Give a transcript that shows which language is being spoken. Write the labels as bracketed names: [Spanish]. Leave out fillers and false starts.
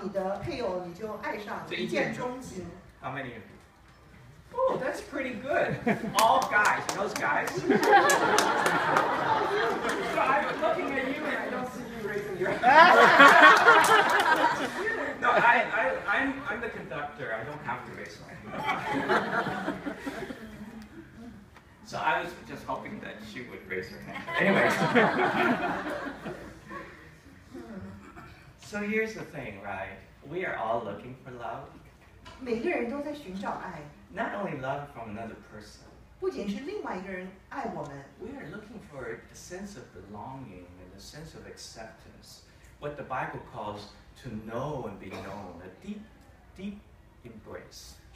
[Chinese] 在座有哪一个第一眼看到你的配偶你就爱上了,一见钟情? [English] How many of you? Oh, that's pretty good. All guys, those guys. So I'm looking at you and I don't see you raising your hand. No, I'm the conductor. I don't have to raise my hand. So I was just hoping that she would raise her hand. Anyway. So here's the thing, right? We are all looking for love. [Chinese] 每个人都在寻找爱。 [English] Not only love from another person. [Chinese] 不仅是另外一个人爱我们。 [English] We are looking for a sense of belonging and a sense of acceptance. What the Bible calls to know and be known, a deep, deep embrace.